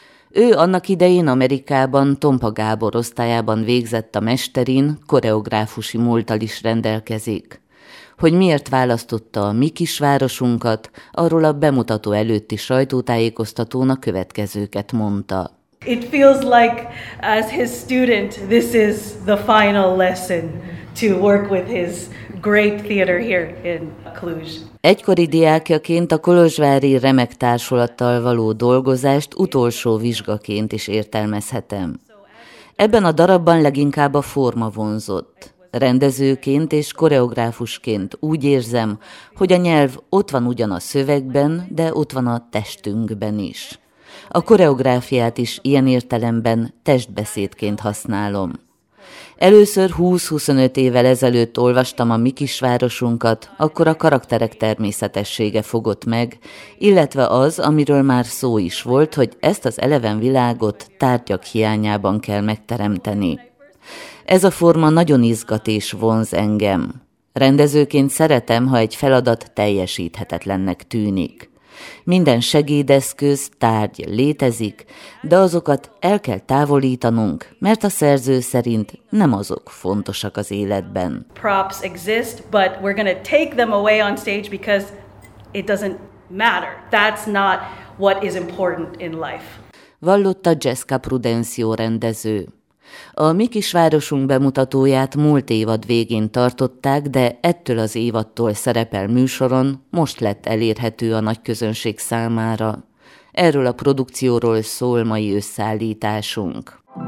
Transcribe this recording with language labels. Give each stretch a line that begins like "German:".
Hungarian: Ő annak idején Amerikában Tompa Gábor osztályában végzett a mesterin, koreográfusi múlttal is rendelkezik. Hogy miért választotta a Mi kis városunkat, arról a bemutató előtti sajtótájékoztatón a következőket mondta.
English: It feels like, as his student, this is the final lesson to work with his great theater here in Cluj.
Hungarian: Egykori diákjaként a kolozsvári remek társulattal való dolgozást utolsó vizsgaként is értelmezhetem. Ebben a darabban leginkább a forma vonzott. Rendezőként és koreográfusként úgy érzem, hogy a nyelv ott van ugyan a szövegben, de ott van a testünkben is. A koreográfiát is ilyen értelemben testbeszédként használom. Először 20-25 évvel ezelőtt olvastam a Mi kis városunkat, akkor a karakterek természetessége fogott meg, illetve az, amiről már szó is volt, hogy ezt az eleven világot tárgyak hiányában kell megteremteni. Ez a forma nagyon izgat és vonz engem. Rendezőként szeretem, ha egy feladat teljesíthetetlennek tűnik. Minden segédeszköz, tárgy létezik, de azokat el kell távolítanunk, mert a szerző szerint nem azok fontosak az életben.
English: Props exist, but we're going to take them away on stage because it doesn't matter. That's not what is important in life.
Hungarian: Vallotta Jessica Prudencio rendező. A Mi kis városunk bemutatóját múlt évad végén tartották, de ettől az évadtól szerepel műsoron, most lett elérhető a nagy közönség számára. Erről a produkcióról szól mai összeállításunk.